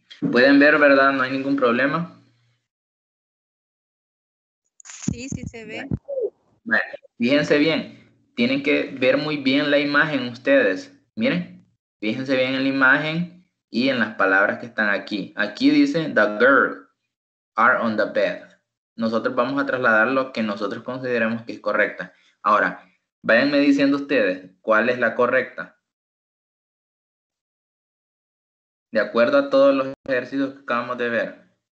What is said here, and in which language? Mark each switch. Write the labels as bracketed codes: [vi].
[es] ¿Pueden ver, verdad? ¿No hay ningún problema? Sí, sí se ve. Vaya, fíjense bien. Tienen que ver muy bien la imagen ustedes. Miren, fíjense bien en la imagen y en las palabras que están aquí. Aquí dice, [en] the girl are on the bed. [es] Nosotros vamos a trasladar lo que nosotros consideremos que es correcta. Ahora, váyanme diciendo ustedes cuál es la correcta. De acuerdo a todos los ejercicios que acabamos de ver.